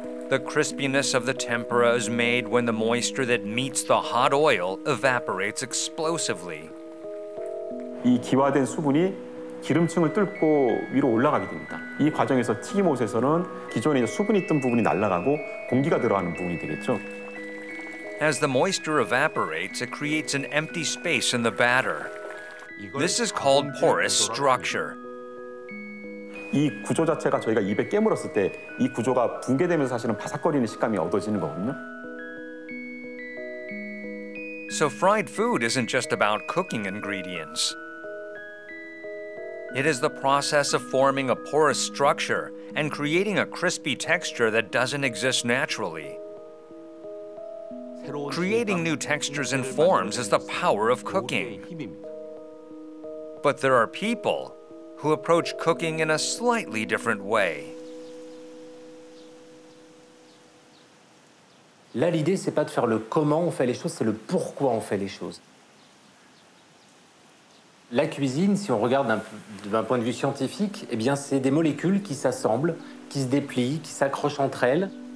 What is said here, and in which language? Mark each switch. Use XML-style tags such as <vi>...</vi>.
<en>The crispiness of the tempura is made when the moisture that meets the hot oil evaporates explosively.</en> <ko>이 기화된 수분이 기름층을 뚫고 위로 올라가게 됩니다. 이 과정에서 튀김옷에서는 기존에 수분이 있던 부분이 날아가고 공기가 들어가는 부분이 되겠죠.</ko> <en>As the moisture evaporates, it creates an empty space in the batter. This is called porous structure.</en> <ko>이 구조 자체가 저희가 입에 깨물었을 때 이 구조가 붕괴되면서 사실은 바삭거리는 식감이 얻어지는 거거든요.</ko> <en>So fried food isn't just about cooking ingredients. It is the process of forming a porous structure and creating a crispy texture that doesn't exist naturally. Creating new textures and forms is the power of cooking. But there are people who approach cooking in a slightly different way.</en> <fr>Là, l'idée, c'est pas de faire le comment on fait les choses, c'est le pourquoi on fait les choses. La cuisine, si on regarde d'un point de vue scientifique, eh bien, c'est des molécules qui s'assemblent, qui se déplient, qui s'accrochent entre elles.</fr>